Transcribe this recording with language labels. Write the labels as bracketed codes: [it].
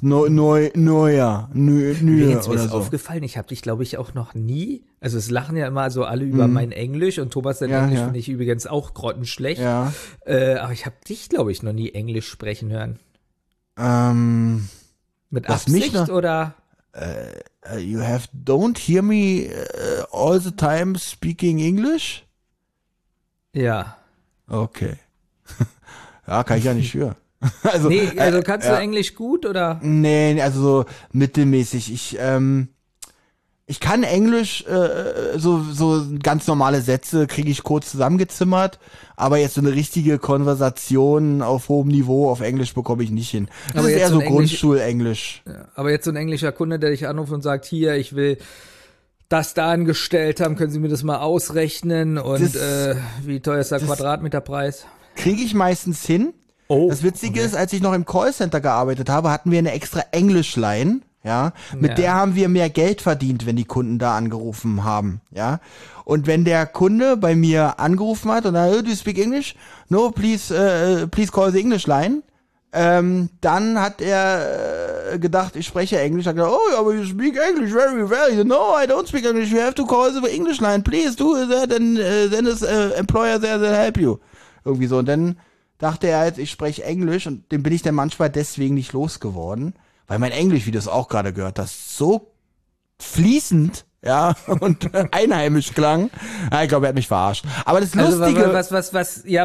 [de] Neuer. Mir ist mir so aufgefallen, ich habe dich, glaube ich, auch noch nie. Also es lachen ja immer so alle über mein Englisch und Thomas, dein Englisch finde ich übrigens auch grottenschlecht. Ja. Aber ich habe dich, glaube ich, noch nie Englisch sprechen hören. Mit Absicht oder? [en] You have don't hear me all the time speaking English? [de] Ja. Okay. Ja, kann ich ja nicht hören. Also, nee, also kannst du Englisch gut oder? Nee, also so mittelmäßig. Ich kann Englisch, so ganz normale Sätze kriege ich kurz zusammengezimmert, aber jetzt so eine richtige Konversation auf hohem Niveau auf Englisch bekomme ich nicht hin. Das ist eher so Grundschulenglisch. Aber jetzt so ein englischer Kunde, der dich anruft und sagt, hier, ich will das da angestellt haben, können Sie mir das mal ausrechnen und das, wie teuer ist der Quadratmeterpreis? Kriege ich meistens hin. Oh, das Witzige ist, als ich noch im Callcenter gearbeitet habe, hatten wir eine extra Englischline, ja. Mit der haben wir mehr Geld verdient, wenn die Kunden da angerufen haben, ja. Und wenn der Kunde bei mir angerufen hat und dann, oh, [en] do you speak English? No, please call the English line. [de] Dann hat er gedacht, ich spreche Englisch. Er hat gesagt, [en] oh, yeah, but you speak English very well. He said, no, I don't speak English. You have to call the English line. Please do that and then this employer there will help you. [de] Irgendwie so. Und dann dachte er halt, ich spreche Englisch und den bin ich dann manchmal deswegen nicht losgeworden, weil mein Englisch, wie du es auch gerade gehört hast, so fließend, ja, und einheimisch klang. Ja, ich glaube, er hat mich verarscht. Aber das Lustige. Also, was,